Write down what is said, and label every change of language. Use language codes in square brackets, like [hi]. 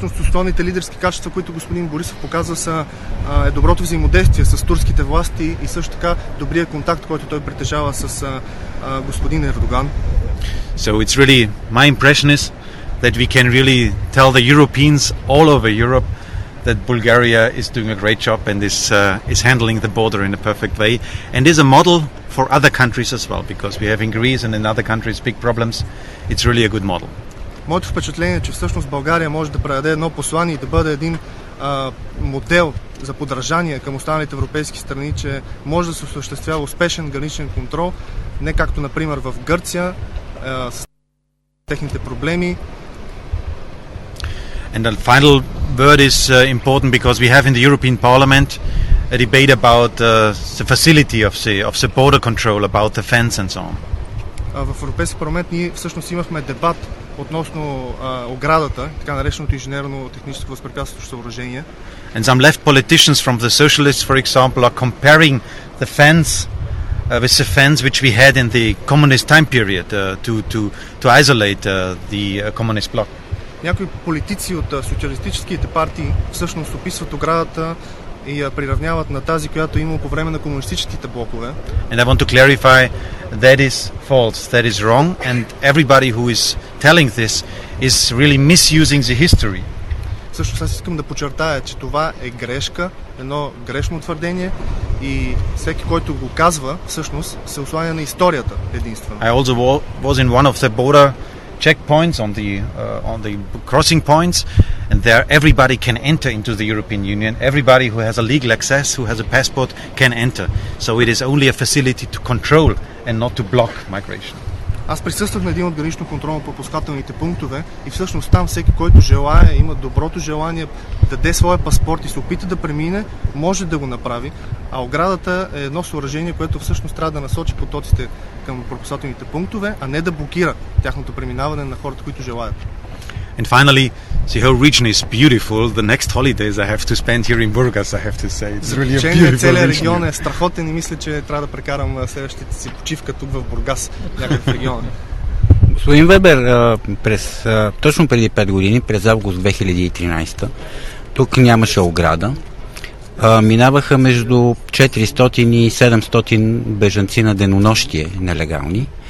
[bg] Всъщност основните лидерски качества, които господин Борисов показва, са е доброто взаимодействие с турските власти и също така добрия контакт, който той притежава с господин Ердоган. [en] So it's really my impression is that we can really tell the Europeans all over Europe that Bulgaria is doing a great job and is handling the border in a perfect way and is a model for other countries as well because we have in Greece and in other countries big problems. It's really a good model. [bg] Моето впечатление е, че всъщност България може да предаде едно послание и да бъде един модел за подражание към останалите европейски страни, че може да се осъществява успешен граничен контрол, не както например в Гърция с техните проблеми. [en] And the final word is important because we have in the European Parliament a debate about the facility of the border control, about the fence and so on. [bg] В Европейския парламент ние всъщност имахме дебат относно оградата, така нареченото инженерно-техническо възпрепятстващо съоръжение. [en] And some left politicians from the socialists, for example, are comparing the fence with the fence which we had in the communist time period to isolate the communist bloc. [bg] Някои политици от социалистическите партии всъщност описват оградата и я приравняват на тази, която е имало по време на комунистическите блокове. [en] And I want to clarify that is false, that is wrong and everybody who is telling this is really misusing the history. [bg] Също аз искам да подчертая, че това е грешка, едно грешно твърдение и всеки, който го казва, всъщност се осланя на историята единствено. [en] I also was in one of the border checkpoints on the crossing points and there everybody can enter into the European Union. Everybody who has a legal access, who has a passport can enter. So it is only a facility to control and not to block migration. [bg] Аз присъствах на един от гранично контролно-пропускателните пунктове и всъщност там всеки, който желая, има доброто желание да даде своя паспорт и се опита да премине, може да го направи. А оградата е едно съоръжение, което всъщност трябва да насочи потоците към пропускателните пунктове, а не да блокира тяхното преминаване на хората, които желаят. [en] And finally, the whole region is beautiful. The next holidays I have to spend here in Burgas, I have to say. It's really a beautiful region. [bg] Целият регион е страхотен и мисля, че трябва да прекарам следващата си почивка тук в Бургас, някакъв регион. Господин Вебер, точно преди 5 години, през август 2013, тук нямаше ограда. Минаваха между 400 и 700 бежанци на денонощие нелегални.